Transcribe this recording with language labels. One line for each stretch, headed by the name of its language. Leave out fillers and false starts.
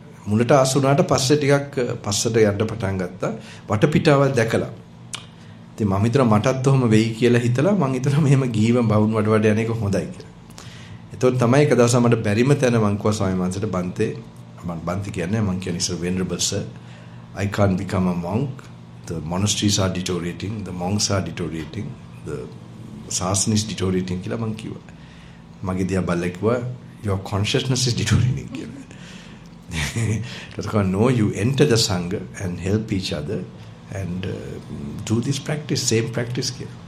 Sinhala: මුලට ආසුනාට පස්සේ ටිකක් පස්සට යන්න පටන් ගත්තා. වටපිටාවල් දැකලා. ඉතින් මම හිතුවා මටත් ඔහොම වෙයි කියලා හිතලා මම හිතුවා මෙහෙම ගිහිව බවුන් වඩවඩ යන එක හොඳයි කියලා. එතකොට තමයි එක දවසක් මට බැරිම තැන වංකුව සමයමන්සට බන්තේ. මම බන්ති කියන්නේ මම කියන්නේ ඉස්සර වෙනරබල් sir.
English: I can't become a monk. The monasteries are deteriorating. The monks are deteriorating. The sasana is deteriorating.
Sinhala: කියලා මං කිව්වා. මගේ දියා බල්ලෙක් කිව්වා
English: your consciousness is deteriorating. That's why no, you enter the sangha and help each other and do this practice, same practice kiya.